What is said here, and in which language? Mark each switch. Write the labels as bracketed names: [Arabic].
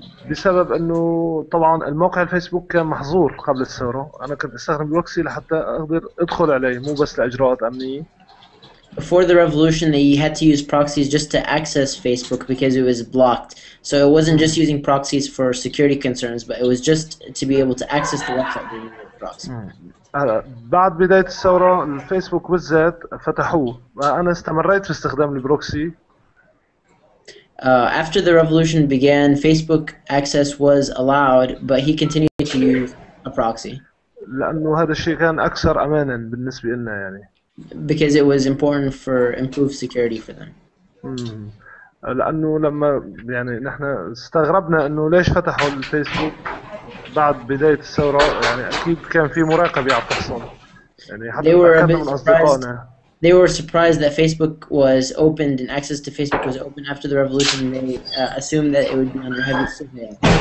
[Arabic] بسبب إنه طبعاً الموقع الفيسبوك كان محظور قبل الثورة. أنا كنت أستخدم بروكسي لحتى أقدر أدخل عليه مو بس لإجراءات أمنية. [English] Before the revolution, they had to use proxies just to access Facebook because it was blocked. So it wasn't just using proxies for security concerns, but it was just to be able to access the website via proxy. [Arabic] بعد بداية الثورة الفيسبوك بالذات فتحوه وأنا استمريت في استخدام البروكسي. [English] After the revolution began, Facebook access was allowed, but he continued to use a proxy. [Arabic] لأنه هذا الشيء كان أكثر أمانا بالنسبة لنا يعني. [English] Because it was important for improved security for them. [Arabic] لأنه لما يعني نحن استغربنا إنه ليش فتحوا الفيسبوك بعد بداية الثورة يعني أكيد كان في مراقبة على التحصن يعني حتى من أصدقائنا. [English] They were surprised that Facebook was opened and access to Facebook was open after the revolution. And they assumed that it would be under heavy surveillance.